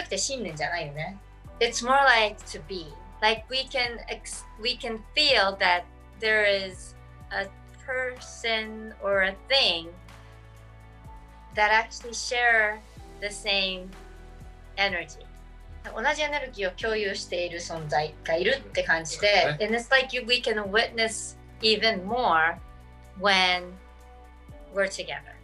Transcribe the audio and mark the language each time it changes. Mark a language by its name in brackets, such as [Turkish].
[English] It's more like to be. Like we can feel that there is a person or a thing that actually share the same energy. [Japanese] 同じエネルギーを共有している存在がいるって感じで、 [English] and it's like we can witness even more when we're together.